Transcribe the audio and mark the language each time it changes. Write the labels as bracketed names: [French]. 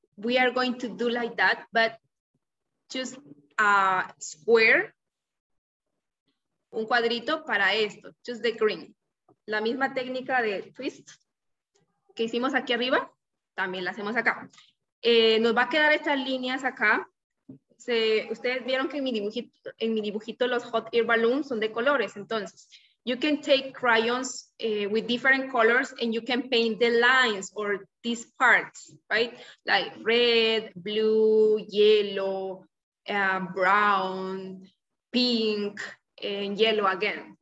[English] We are going to do like that, but just a square, [Spanish] un cuadrito para esto, [English] just the green. [Spanish] La misma técnica de twist que hicimos aquí arriba, también la hacemos acá. Nos va a quedar estas líneas acá. Ustedes vieron que en mi dibujito los [English] hot air balloons [Spanish] son de colores. [English] Entonces, you can take crayons with different colors and you can paint the lines or these parts, right? Like red, blue, yellow, brown, pink, and yellow again.